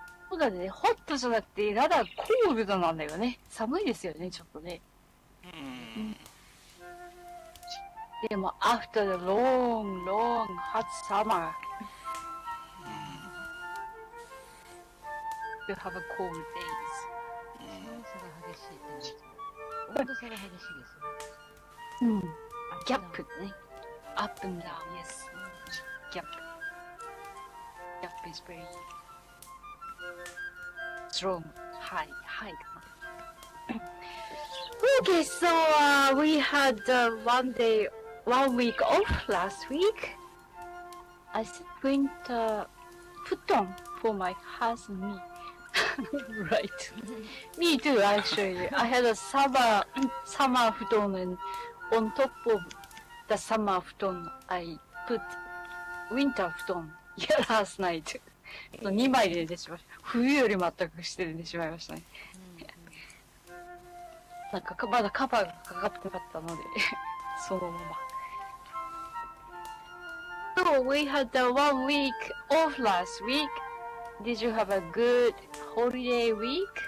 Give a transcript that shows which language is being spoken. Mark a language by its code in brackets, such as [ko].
[ja] そうだね、ホットじゃなくて、 [en] ラダーコールド [ja] なんだよね。寒いですよね、ちょっとね。でも、 [en] after the long, long hot summer, you have a cold days. [ja] 温度差が激しいって言うんですよ。温度差が激しいですよ。ギャップだね。 [en] Up and down, yes. ギャップ。ギャップ is very... Strong. Hi. Okay, so we had one week off last week. I went futon for my husband. Me. Right. Me too. Actually, I had a summer futon, and on top of the summer futon, I put winter futon last night. [ja] 2枚で寝てしまいました。冬より全くして寝てしまいましたね。なんかまだカバーがかかってなかったので、そのまま。 [en] So we had a 1 week off last week. Did you have a good holiday week?